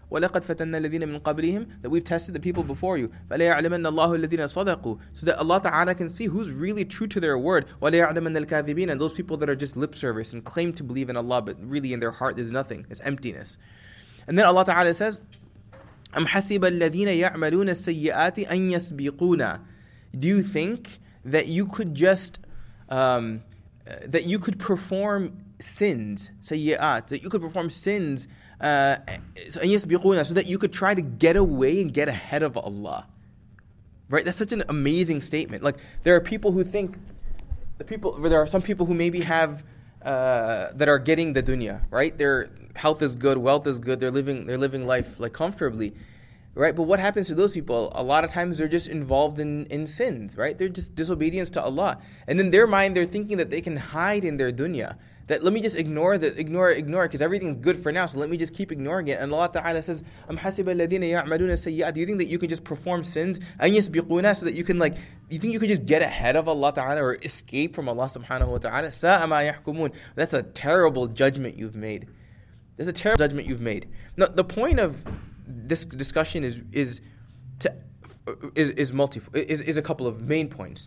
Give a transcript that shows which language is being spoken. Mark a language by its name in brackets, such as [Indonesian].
[Arabic] وَلَقَدْ فَتَنَّ الَّذِينَ مِنْ قَبْلِهِمْ, [English] that we've tested the people before you. [Arabic] فَلَيَعْلَمَنَّ اللَّهُ الَّذِينَ صَدَقُوا, [English] so that Allah Ta'ala can see who's really true to their word. [Arabic] وَلَيَعْلَمَنَّ الْكَاذِبِينَ, [English] and those people that are just lip service and claim to believe in Allah, but really in their heart there's nothing, it's emptiness. And then Allah Ta'ala says, [Arabic] أَمْ حَسِبَ الَّذِينَ يَعْمَلُونَ السَّيِّئَاتِ أَن يَسْبِقُونَ. [English] Do you think that you could just, that you could perform sins, سيئات, that you could perform sins, so that you could try to get away and get ahead of Allah, right? That's such an amazing statement. Like, there are people who think, there are some people who maybe have, that are getting the dunya, right? Their health is good, wealth is good, they're living life like comfortably, right? But what happens to those people? A lot of times they're just involved in sins, right? They're just disobedience to Allah. And in their mind, they're thinking that they can hide in their dunya. That let me just ignore because everything's good for now, so let me just keep ignoring it. And Allah Ta'ala says, [Arabic] أَمْ حَسِبَ الَّذِينَ يَعْمَلُونَ السَّيِّئَاتِ. [English] Do you think that you can just perform sins? [Arabic] أَنْ يَسْبِقُونَ, [English] so that you can like, you think you could just get ahead of Allah Ta'ala or escape from Allah Subhanahu Wa Ta'ala? [Arabic] سَاءَ مَا يَحْكُمُونَ. [English] That's a terrible judgment you've made. That's a terrible judgment you've made. Now, the point of this discussion is a couple of main points.